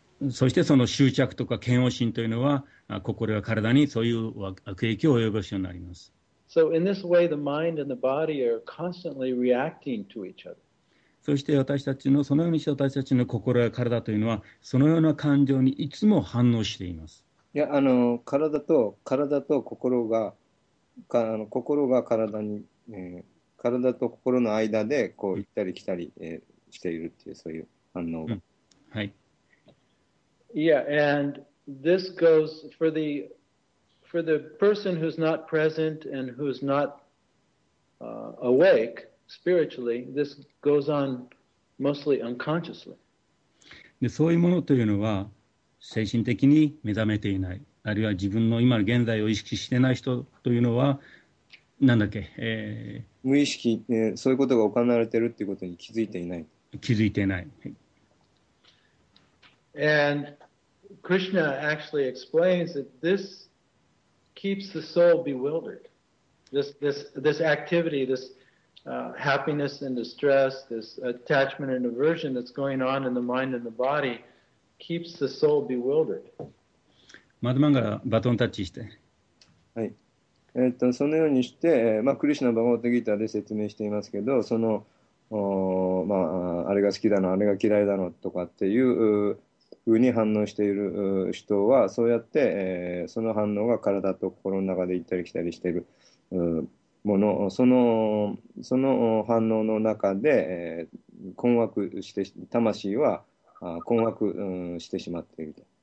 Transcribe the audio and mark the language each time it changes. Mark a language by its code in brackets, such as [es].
[ja] そしてその執着とか嫌悪心というのは、心や体にそういう悪影響を及ぼすようになります。 [en] So in this way, the mind and the body are constantly reacting to each other. [ja] そして私たちの、そのようにして私たちの心や体というのは、そのような感情にいつも反応しています。いや、体と心が、体と心の間でこう行ったり来たり、しているっていう、そういう反応が。うん、はい。 [en] Yeah, and this goes for the... For the person who's not present and who's not awake spiritually, this goes on mostly unconsciously. [ja] で、そういうものというのは精神的に目覚めていない、あるいは自分の今の現在を意識していない人というのは何だっけ、無意識、そういうことが行われているということに気づいていない。気づいていない。 [en] And Krishna actually explains that this. Keeps the soul bewildered. This activity, this happiness and distress, this attachment and aversion that's going on in the mind and the body keeps the soul bewildered. [ja] マドマンガラバトンタッチして。はい。そのようにして、クリシュナバゴバッドギーターで説明していますけど、その、あれが好きだの、あれが嫌いだのとかっていう。風に反応している人はそうやって、その反応が体と心の中で行ったり来たりしているもの、その反応の中で、困惑して魂は困惑してしまっていると。